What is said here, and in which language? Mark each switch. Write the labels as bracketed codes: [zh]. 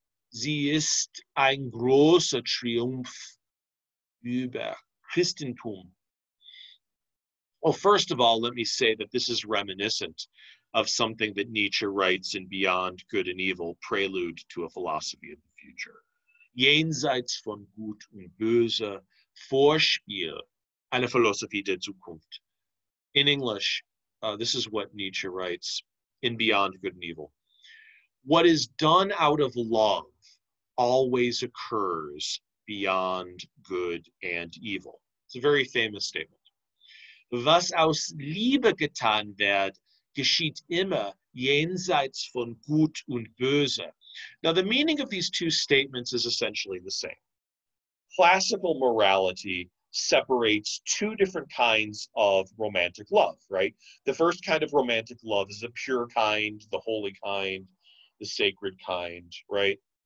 [de] Sie ist ein großer Triumph über Christentum. [en] Well, first of all, let me say that this is reminiscent of something that Nietzsche writes in Beyond Good and Evil, Prelude to a Philosophy of the Future. [de] Jenseits von Gut und Böse, Vorspiel einer Philosophie der Zukunft. [en] In English, this is what Nietzsche writes in Beyond Good and Evil. What is done out of love always occurs beyond good and evil. It's a very famous statement. [de] Was aus Liebe getan wird, geschieht immer jenseits von Gut und Böse. [en] Now, the meaning of these two statements is essentially the same. Classical morality separates two different kinds of romantic love, right? The first kind of romantic love is the pure kind, the holy kind, the sacred kind, right?